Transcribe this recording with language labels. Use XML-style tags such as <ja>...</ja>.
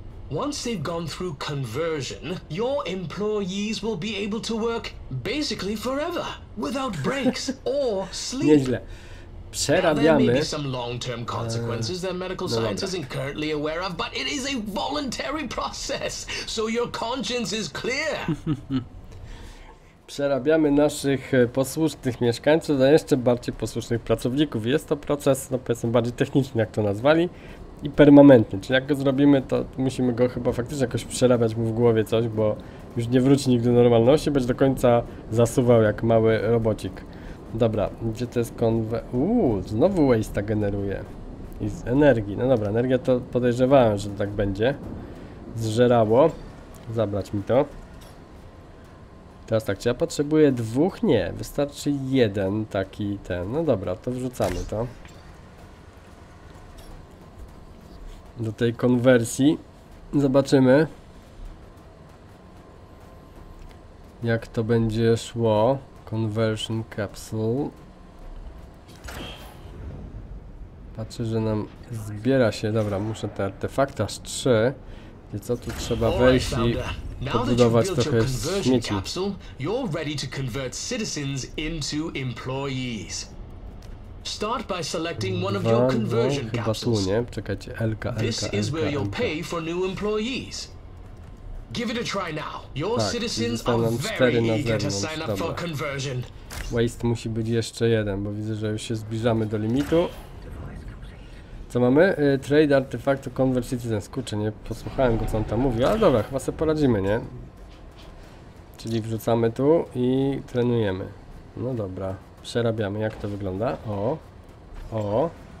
<en>Once they've gone through conversion, your employees will be able to work basically forever, without breaks or sleep.</en> <pl>Nieźle. Przerabiamy.</pl> <en>There may be some long-term consequences that medical science isn't currently aware of, but it is a voluntary process, so your conscience is clear.</en> <pl>Przerabiamy naszych posłusznych mieszkańców na jeszcze bardziej posłusznych pracowników. Jest to proces, no powiedzmy, bardziej techniczny, jak to nazwali, i permanentny. Czyli jak go zrobimy, to musimy go chyba faktycznie jakoś przerabiać mu w głowie coś, bo już nie wróci nigdy do normalności, będzie do końca zasuwał jak mały robocik. Dobra, gdzie to jest konwe... znowu waste'a generuje. I z energii. No dobra, energia to podejrzewałem, że tak będzie. Zżerało. Zabrać mi to. Teraz tak, czy ja potrzebuję dwóch? Nie, wystarczy jeden taki ten. No dobra, to wrzucamy to. Do tej konwersji. Zobaczymy, jak to będzie szło.</pl> <en>Conversion capsule.</en> <pl>Patrzę, że nam zbiera się. Dobra, muszę te artefakty aż trzy. Gdzie co tu trzeba wejść i... Podbudować trochę śmieci.</pl> <en>Capsule, you're ready to convert citizens into employees. Start by selecting one of your conversion capsules.</en> <pl>Chyba tu, nie? Czekajcie, Elka.</pl> <en>This is where you'll pay for new employees. Give it a try now. Your citizens are very eager to sign up for conversion.</en> <pl>Waste musi być jeszcze jeden, bo widzę, że już się zbliżamy do limitu. Co mamy?</pl> <en>Trade artefakt to Convert Citizens.</en> <pl>Kurczę, nie posłuchałem go, co on tam mówi, ale dobra, chyba sobie poradzimy, nie? Czyli wrzucamy tu i trenujemy. No dobra, przerabiamy. Jak to wygląda? O.</pl>